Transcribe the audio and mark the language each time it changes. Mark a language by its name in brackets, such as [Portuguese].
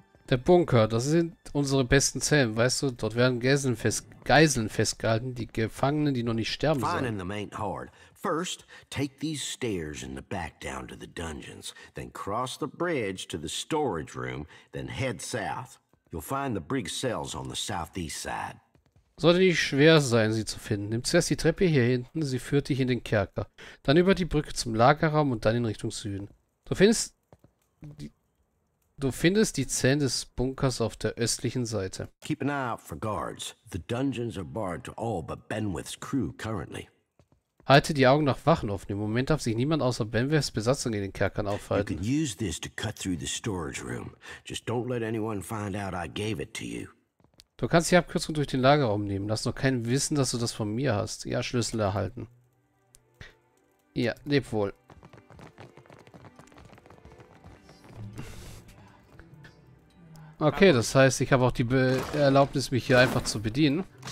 [German] Der Bunker, das sind unsere besten Zellen, weißt du? Dort werden Geiseln festgehalten, die Gefangenen, die noch nicht sterben sollen. Finden sie nicht hart. [English] First, take these stairs in the back down to the dungeons, then cross the bridge to the storage room, then head south. You'll find the Briggs cells on the southeast side. [German] Sollte nicht schwer sein, sie zu finden. Nimm zuerst die Treppe hier hinten, sie führt dich in den Kerker. Dann über die Brücke zum Lagerraum und dann in Richtung Süden. Du findest die Zellen des Bunkers auf der östlichen Seite. [English] Keep an eye out for guards. The dungeons are barred to all but Benwith's crew currently. [German] Halte die Augen nach Wachen offen. Im Moment darf sich niemand außer Benwiths Besatzung in den Kerkern aufhalten. [English] You can use this to cut through the storage room. Just don't let anyone find out I gave it to you. [German] Du kannst die Abkürzung durch den Lagerraum nehmen. Lass nur keinen wissen, dass du das von mir hast. Ja, Schlüssel erhalten. Ja, leb wohl. Okay, das heißt, ich habe auch die Erlaubnis, mich hier einfach zu bedienen.